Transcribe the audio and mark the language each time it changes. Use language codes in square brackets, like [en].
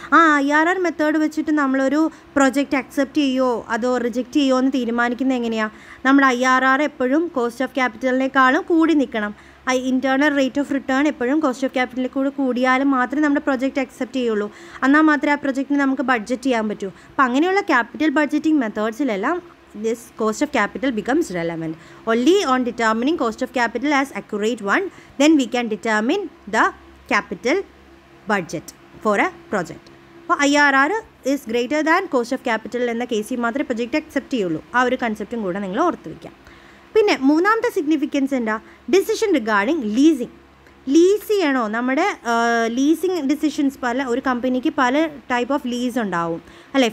[ml] ആ IRR method വെച്ചിട്ട് നമ്മളൊരു പ്രൊജക്റ്റ് അക്സെപ്റ്റ് ചെയ്യുമോ അതോ റിജക്റ്റ് ചെയ്യുമോ എന്ന് തീരുമാനിക്കുന്നത് എങ്ങനെയാണ്? നമ്മുടെ IRR എപ്പോഴും കോസ്റ്റ് ഓഫ് ക്യാപിറ്റലിനേക്കാളും കൂടി നിൽക്കണം. ആ ഇൻറ്റേർണൽ റേറ്റ് ഓഫ് റിട്ടേൺ എപ്പോഴും കോസ്റ്റ് ഓഫ് ക്യാപിറ്റലിൽ കൂടെ കൂടിയാലും മാത്രമേ നമ്മുടെ പ്രൊജക്റ്റ് അക്സെപ്റ്റ് ചെയ്യുള്ളൂ, എന്നാൽ മാത്രമേ ആ പ്രൊജക്റ്റിന് നമുക്ക് ബഡ്ജറ്റ് ചെയ്യാൻ പറ്റൂ. അപ്പോൾ അങ്ങനെയുള്ള capital budgeting മെത്തേഡ്സിലെല്ലാം [en] this cost of capital becomes relevant. Only on determining cost of capital as accurate one, then we can determine the capital budget for a project. [ml] അപ്പോൾ [en] IRR is greater than cost of capital [ml] എന്ന കേസിൽ മാത്രമേ project accept ചെയ്യുള്ളൂ. ആ ഒരു കൺസെപ്റ്റും കൂടെ നിങ്ങൾ ഓർത്ത് വയ്ക്കാം. പിന്നെ മൂന്നാമത്തെ സിഗ്നിഫിക്കൻസ് എന്താ? Decision regarding leasing. ലീസ് ചെയ്യണോ, നമ്മുടെ ലീസിങ് ഡിസിഷൻസ് പല ഒരു കമ്പനിക്ക് പല ടൈപ്പ് ഓഫ് ലീസ് ഉണ്ടാവും അല്ലേ.